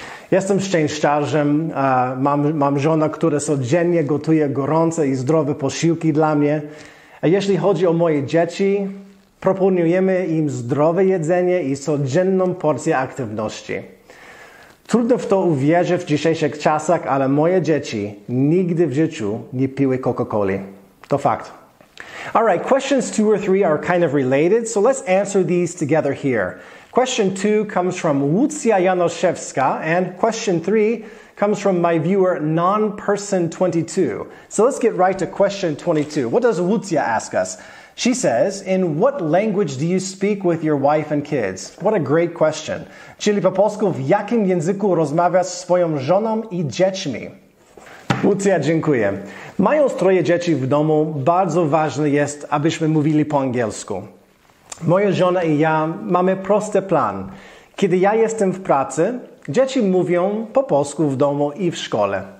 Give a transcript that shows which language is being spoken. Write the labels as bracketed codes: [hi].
[pl] Jestem szczęściarzem, mam żonę, która codziennie gotuje gorące i zdrowe posiłki dla mnie. A jeśli chodzi o moje dzieci, proponujemy im zdrowe jedzenie i codzienną porcję aktywności. Trudno w to uwierzyć w dzisiejszych czasach, ale moje dzieci nigdy w życiu nie piły Coca-Coli. To fakt. [en] Alright, questions 2 or 3 are kind of related, so let's answer these together here. Question 2 comes from Łucja Janoszewska, and question 3 comes from my viewer Nonperson22. So let's get right to question 22. What does Łucja ask us? She says, in what language do you speak with your wife and kids? What a great question. [pl] Czyli po polsku, w jakim języku rozmawiasz z swoją żoną i dziećmi? Łucja, dziękuję. Mając 3 dzieci w domu, bardzo ważne jest, abyśmy mówili po angielsku. Moja żona i ja mamy prosty plan. Kiedy ja jestem w pracy, dzieci mówią po polsku w domu i w szkole.